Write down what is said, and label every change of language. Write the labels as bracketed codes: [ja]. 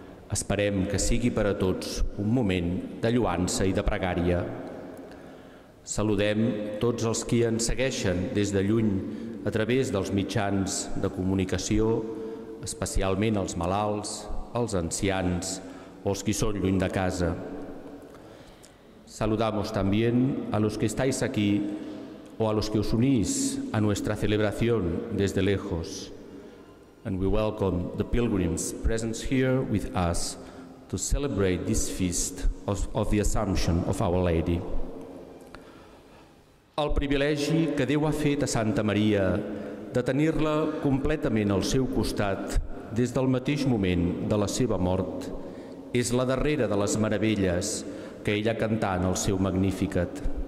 [ca] Esperem que sigui per a tots un moment de lloança i de pregària. Saludem tots els qui ens segueixen des de lluny a través dels mitjans de comunicació, especialment els malalts, els ancians o els qui són lluny de casa. [es] Saludamos también a los que estáis aquí o a los que os unís a nuestra celebración desde lejos. [en] And we welcome the pilgrims present here with us to celebrate this feast of the Assumption of Our Lady. [ca] El privilegi que Déu ha fet a Santa Maria de tenir-la completament al seu costat des del mateix moment de la seva mort és la darrera de les meravelles que ella cantà en el seu Magnificat.